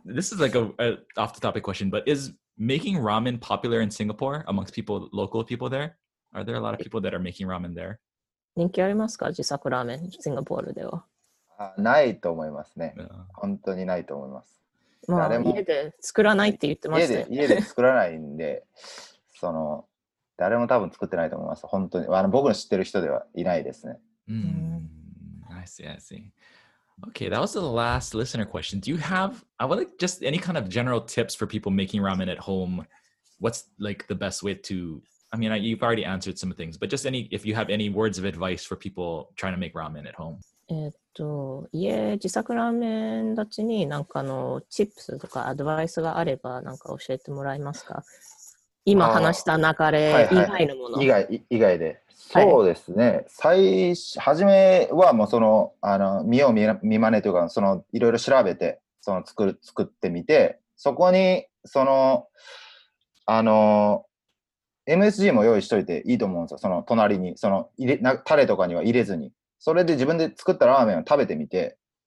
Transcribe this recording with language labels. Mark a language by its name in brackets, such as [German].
[English] this is like a off-the-topic question, but is making ramen popular in Singapore amongst people, local people there? Are there a lot of people that are making ramen there? [Japanese] 人気ありますか、自作ラーメン、シンガポールでは。ないと思いますね。Yeah. 本当にないと思います。まあ、家で作らないって言ってますね。家で作らないんで、その、誰も多分作ってないと思います。本当に。僕の知ってる人ではいないですね。 [English] I see. Okay, that was the last listener question. Do you have, I would like just any kind of general tips for people making ramen at home? What's like the best way to, I mean, you've already answered some things, but just any, if you have any words of advice for people trying to make ramen at home? [Japanese] 家自作ラーメンたちに何かのチップスとかアドバイスがあれば何か教えてもらえますか。今話した流れ以外のもの、はいはい、以外で、そうですね、はい、初めはもうその見よう見まねというか、そのいろいろ調べて、その作ってみて、そこにあの MSG も用意しといていいと思うんですよ、その隣に、そのタレとかには入れずに、それで自分で作ったラーメンを食べてみて、